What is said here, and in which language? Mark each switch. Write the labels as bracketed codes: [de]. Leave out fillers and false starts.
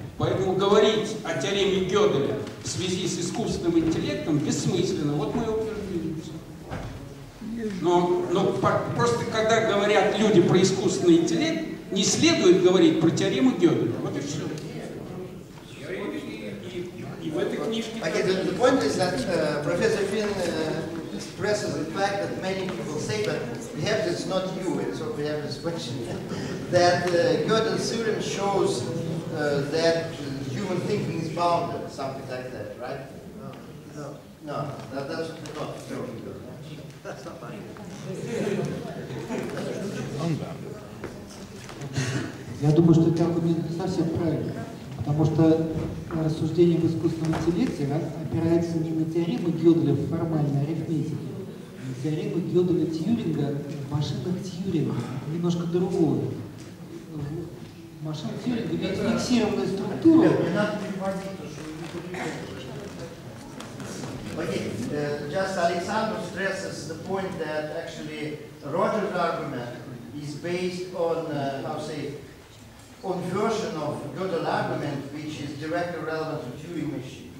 [ru] Поэтому говорить о теореме Гёделя в связи с искусственным интеллектом бессмысленно. Вот мы и утвердили. Но просто когда говорят люди про искусственный интеллект, не следует говорить про теорему Гёделя. Вот и все. И в этой книжке... [en] Okay, the point is that Professor Finn expresses the fact that many people say, but perhaps it's not you, and so we have this question, that Gödel's theorem shows that human thinking is bounded, something like that, right? No. No, that's not true. That's not funny. Unbounded. [ru] Я думаю, что это аргумент не совсем правильный. Потому что рассуждение об искусственном интеллекте опирается не на теорему Гёделя в формальной арифметике, а на теорему Гёделя-Тьюринга в машинах Тьюринга, немножко другого. Машина Тьюринга имеет фиксированную структуру. Не надо понимать, что вы не понимаете. [en] Окей, Александр stresses the point that actually Roger's argument is based on, conversion of Gödel argument, which is directly relevant to Turing machine.